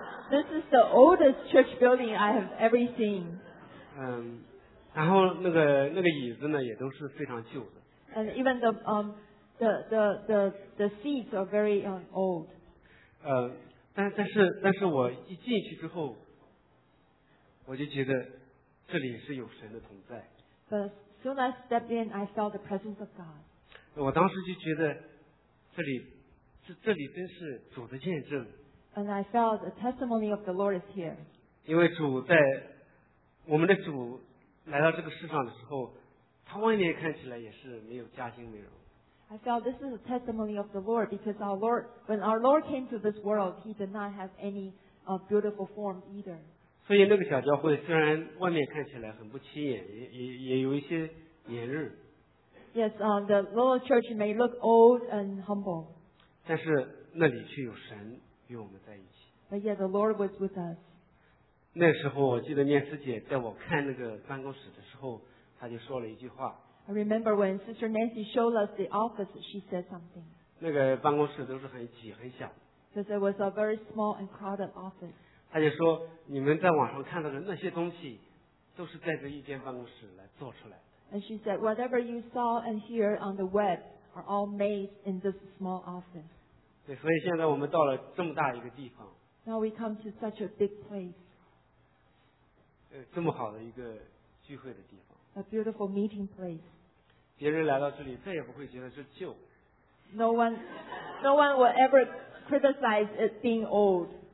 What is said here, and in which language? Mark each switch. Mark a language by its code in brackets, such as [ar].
[en] This is the oldest church building I have ever seen。 [zh] 然后那个椅子呢也都是非常旧的。 [en] And even the seats are very old. [zh] 但是我一进去之后，我就觉得这里是有神的同在。 [en] But soon I stepped in, I felt the presence of God. [zh] 我当时就觉得这里真是主的见证。 [en] And I felt the testimony of the Lord is here. [zh] 因为主在我们的主。来到这个世上的时候，他外面看起来也是没有家境美容。 [en] I felt this is a testimony of the Lord because our Lord, when our Lord came to this world, He did not have any beautiful form either. [zh] 所以那个小教会虽然外面看起来很不起眼，也有一些年日。 [en] Yes, the little church may look old and humble. [zh] 但是那里却有神与我们在一起。 [en] But yet the Lord was with us. [zh] 那时候我记得念师姐在我看那个办公室的时候，她就说了一句话。 [en] I remember when Sister Nancy showed us the office, she said something. [zh] 那个办公室都是很挤很小。 [en] Because it was a very small and crowded office. [zh] 她就说，你们在网上看到的那些东西，都是在这一间办公室来做出来的。 [en] And she said, whatever you saw and hear on the web are all made in this small office. [zh] 对，所以现在我们到了这么大一个地方。 [en] Now we come to such a big place. [zh] 这么好的一个聚会的地方 [en] ，a beautiful meeting place。 [zh] 别人来到这里，再也不会觉得是旧。 [en] No one will ever criticize it being old。